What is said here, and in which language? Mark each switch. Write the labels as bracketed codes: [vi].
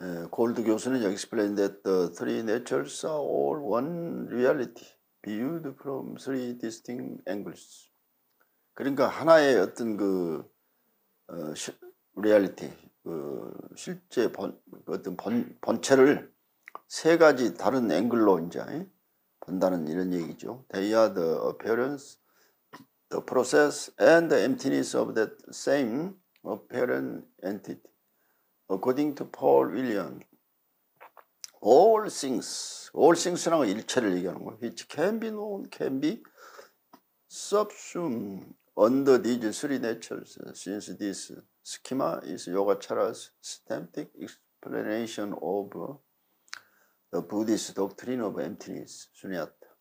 [ko] 골드 교수는 [en] explained that the three natures are all one reality viewed from three distinct angles. [ko] 그러니까 하나의 어떤 그 reality. 그 실제 본체를 세 가지 다른 앵글로 이제 본다는 이런 얘기죠. [en] They are the appearance, the process, and the emptiness of that same apparent entity. According to Paul William, all things란 [ko] 일체를 얘기하는 거예요. [en] Which can be known, can be subsumed under these three natures since this schema is Yogacara's systematic explanation of the Buddhist doctrine of emptiness, sunyata.